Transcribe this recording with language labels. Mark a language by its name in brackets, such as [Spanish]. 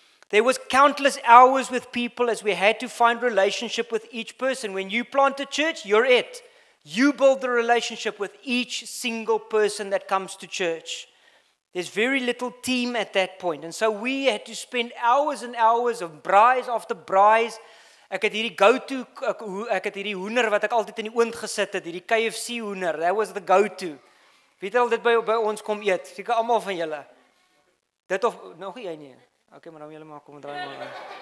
[English] There was countless hours with people as we had to find relationship with each person. When you plant a church, you're it. You build the relationship with each single person that comes to church. There's very little team at that point. And so we had to spend hours and hours of braais after braais. [Afrikaans] Ek het hierdie go-to, ek het hierdie hoender wat ek altyd in die oond gesit het, hierdie KFC hoender. [English] That was the go-to. [Afrikaans] Wie het al dit by ons kom eet? Seker almal van julle. Dit of, nog jy nie. Okay, maar dan julle maar kom en draai maar.